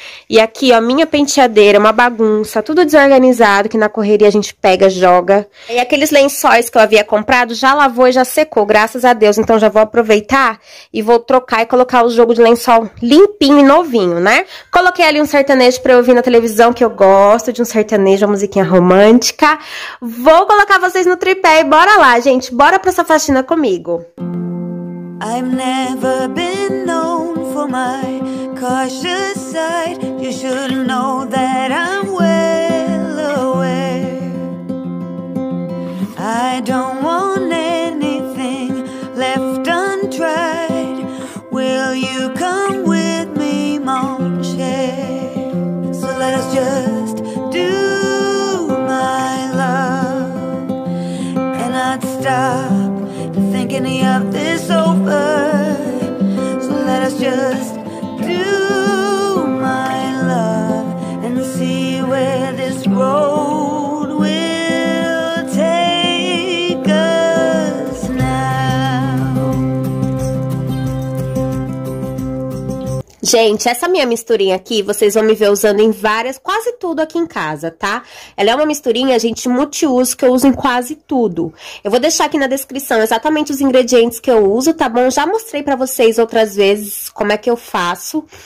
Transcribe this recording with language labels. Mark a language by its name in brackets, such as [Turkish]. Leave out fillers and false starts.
[Portuguese] e aqui, ó, minha penteadeira, uma bagunça, tudo desorganizado, que na correria a gente pega, joga, e aqueles lençóis que eu havia comprado, já lavou e já secou, graças a Deus, então já vou aproveitar e vou trocar e colocar o jogo de lençol limpinho e novinho, né? Coloquei ali um sertanejo pra eu ouvir na televisão, que eu gosto de um sertanejo, uma musiquinha romântica, vou colocar vocês no tripé e bora lá, gente, bora pra essa faxina comigo. [English] I've never been known for my cautious sight. You should know that I'm well aware. I don't want anything left untried. Will you come with me, mon cher? So let us just do, my love, and I'd stop thinking of this over. So let us just do, my love, and see where this road will take us now. [Portuguese] Gente, essa minha misturinha aqui, vocês vão me ver usando em várias, quase tudo aqui em casa, tá? Ela é uma misturinha, gente, multiuso, que eu uso em quase tudo. Eu vou deixar aqui na descrição exatamente os ingredientes que eu uso, tá bom? Já mostrei pra vocês outras vezes como é que eu faço.